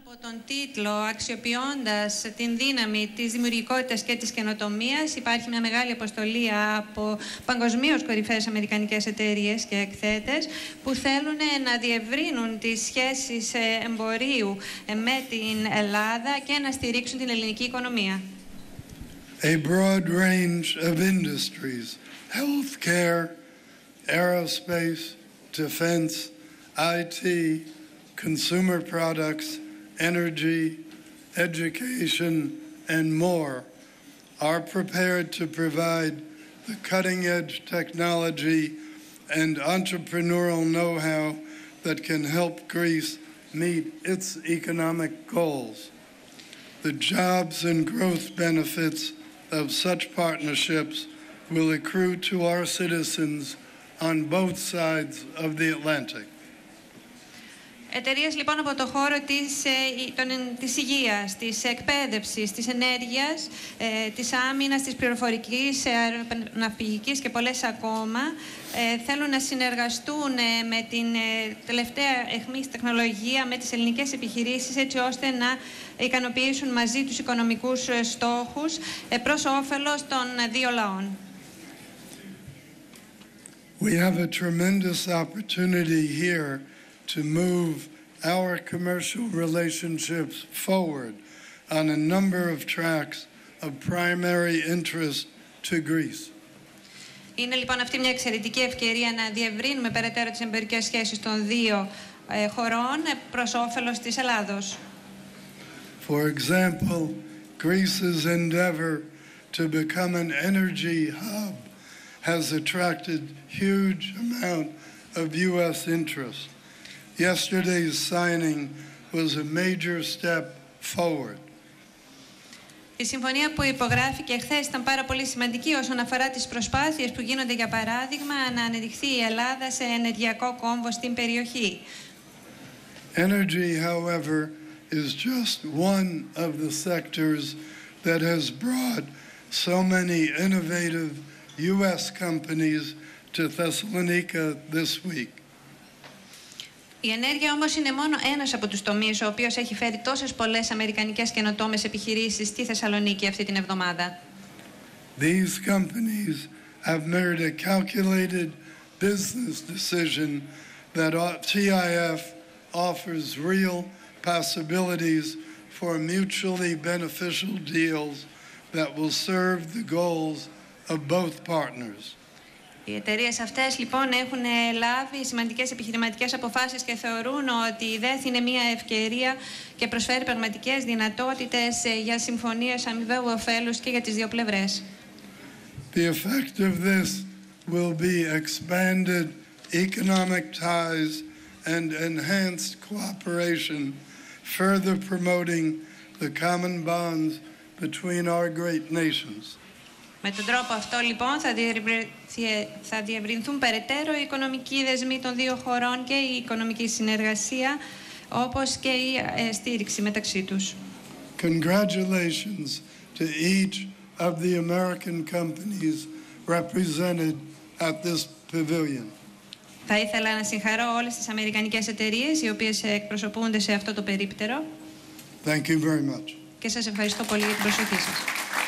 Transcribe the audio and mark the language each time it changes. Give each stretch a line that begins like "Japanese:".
Greek: από τον τίτλο, αξιοποιώντας την δύναμη της δημιουργικότητας και της καινοτομίας, υπάρχει μια μεγάλη αποστολή από παγκοσμίως κορυφαίες αμερικανικές εταιρείες και εκθέτες που θέλουν να διευρύνουν τις σχέσεις εμπορίου με την Ελλάδα και να στηρίξουν την ελληνική οικονομία.
English: A broad range of industries, healthcare, aerospace, defense, IT, consumer products, energy, education, and more are prepared to provide the cutting-edge technology and entrepreneurial know-how that can help Greece meet its economic goals. The jobs and growth benefits of such partnerships will accrue to our citizens on both sides of the Atlantic.
Greek: Εταιρείες λοιπόν από το χώρο της υγείας, της εκπαίδευσης, της ενέργειας, της άμυνας, της πληροφορικής, αεροναυπηγικής και πολλές ακόμα θέλουν να συνεργαστούν με την τελευταία εχμής τεχνολογία, με τις ελληνικές επιχειρήσεις, έτσι ώστε να ικανοποιήσουν μαζί τους οικονομικούς στόχους προς όφελος των δύο λαών.
English: We have a tremendous opportunity here to move our commercial relationships forward on a number of tracks of primary interest to Greece.
Greek: Είναι λοιπόν αυτή μια εξαιρετική ευκαιρία να διευρύνουμε περαιτέρω τις εμπορικές σχέσεις των δύο χωρών προς όφελος της Ελλάδος.
English: For example, Greece's endeavor to become an energy hub has attracted huge amount of U.S. interest. Yesterday's signing was a major step forward.
Greek: Η συμφωνία που υπογράφηκε χθες ήταν πάρα πολύ σημαντική όσον αφορά τις προσπάθειες που γίνονται, για παράδειγμα, να ανεδειχθεί η Ελλάδα σε ενεργειακό κόμβο στην περιοχή.
English: Energy, however, is just one of the sectors that has brought so many innovative U.S. companies to Thessalonica this week.
Greek: Η ενέργεια όμως είναι μόνο ένας από τους τομείς ο οποίος έχει φέρει τόσες πολλές αμερικανικές καινοτόμες επιχειρήσεις στη Θεσσαλονίκη αυτή την εβδομάδα.
English: These companies have made a calculated business decision that TIF offers real possibilities for mutually beneficial deals that will serve the goals of both partners.
Greek: Οι εταιρείες αυτές λοιπόν έχουν λάβει σημαντικές επιχειρηματικές αποφάσεις και θεωρούν ότι η ΔΕΘ είναι μια ευκαιρία και προσφέρει πραγματικές δυνατότητες για συμφωνίες αμοιβαίου ωφέλους και για τις δύο πλευρές.
English: The effect of this will be expanded economic ties and enhanced cooperation, further promoting the common bonds between our great nations.
Greek: Με τον τρόπο αυτό, λοιπόν, θα διευρυνθούν περαιτέρω οι οικονομικοί δεσμοί των δύο χωρών και η οικονομική συνεργασία, όπως και η στήριξη μεταξύ τους.
English: Congratulations to each of the American companies represented at this pavilion.
Greek: Θα ήθελα να συγχαρώ όλες τις αμερικανικές εταιρείες οι οποίες εκπροσωπούνται σε αυτό το περίπτερο.
English: Thank you very much.
Greek: Και σας ευχαριστώ πολύ για την προσοχή σας.